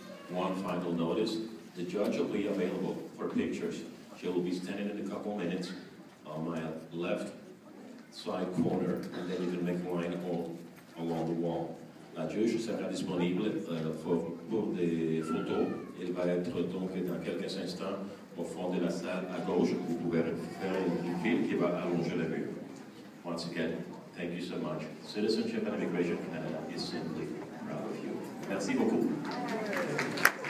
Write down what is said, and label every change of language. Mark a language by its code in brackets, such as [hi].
[en] One final notice, the judge will be available for pictures. She will be standing in a couple minutes on my left side corner, and then you can make a line all along the wall. [fr] La juge sera disponible pour des photos. Elle va être donc dans quelques instants au fond de la salle à gauche. Vous pouvez faire une file qui va allonger le mur. [en] Once again, thank you so much. Citizenship and Immigration Canada is simply proud of you. [fr] Merci beaucoup. [en] Thank you.